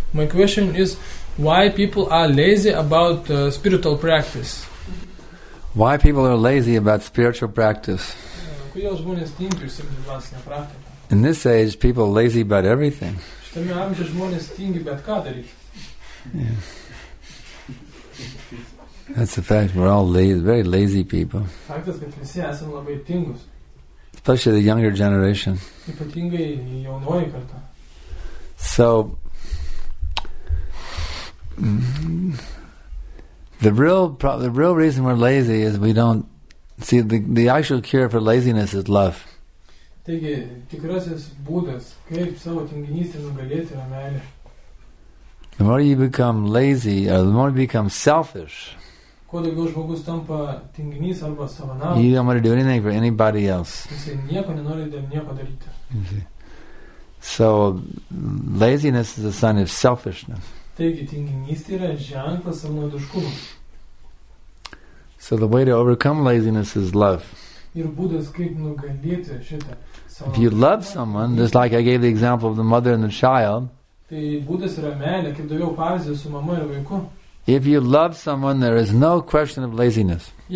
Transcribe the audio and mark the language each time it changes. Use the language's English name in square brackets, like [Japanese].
[English] My question is, why people are lazy about spiritual practice? Why people are lazy about spiritual practice? [Lithuanian] Kodėl žmonės tingi užsiimti dvasinė praktika? [English] In this age, people are lazy about everything. [Lithuanian] Šitame amžiuje žmonės tingi bet ką daryti. [English] That's the fact, we're all lazy, very lazy people. [Lithuanian] Faktas, kad visi esam labai tingus. [English] Especially the younger generation. [Lithuanian] Ypatingai jaunoji karta. [English] So, the real reason we're lazy is we don't, see, the actual cure for laziness is love. [Lithuanian] Taigi, tikrasis būdas, kaip savo tinginystę nugalėti yra meilė. [English] The more you become lazy, or the more you become selfish, [Lithuanian] kuo daugiau žmogus tampa tinginys arba savanaudis, [English] you don't want to do anything for anybody else. [Lithuanian] Jisai nieko nenori dėl nieko daryti. [English] So, laziness is a sign of selfishness. [Lithuanian] Taigi, tinginystė yra ženklas savanaudiškumo. [English] So, the way to overcome laziness is love. [Lithuanian] Ir būdas, kaip nugalėti šitą. [English] If you love someone, just like I gave the example of the mother and the child, if you love someone, there is no question of laziness.